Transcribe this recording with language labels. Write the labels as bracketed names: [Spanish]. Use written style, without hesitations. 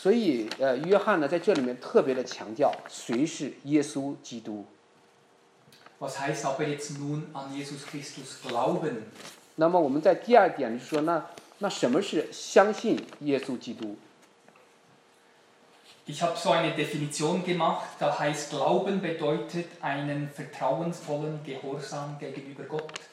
[Chinese] 所以约翰呢在这里面特别的强调谁是耶稣基督。 [German] Was heißt aber jetzt nun an Jesus Christus glauben? [Chinese] 那么我们在第二点就是说那什么是相信耶稣基督？ [German] Ich habe so eine Definition gemacht, da heißt Glauben bedeutet einen vertrauensvollen Gehorsam gegenüber Gott.